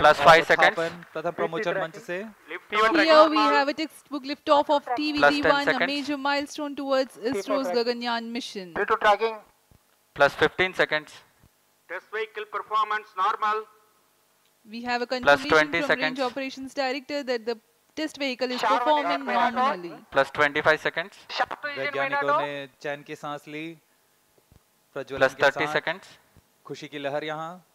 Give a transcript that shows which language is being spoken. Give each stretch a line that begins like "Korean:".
Hindi: Plus 5 second प्रथम प्रमोचन मंच से
English: Here we have a textbook lift off off TVD-1 a major milestone towards ISRO's Gaganyaan mission to tracking Plus 15 seconds. Test vehicle performance normal. We have a confirmation from seconds. Range operations director that the test vehicle is performing normally. Plus 25 seconds.
Hindi: वैज्ञानिकों ने चैन की सांस ली.
English: प्रज्वलन Plus 30 seconds.
Hindi: खुशी की लहर यहाँ.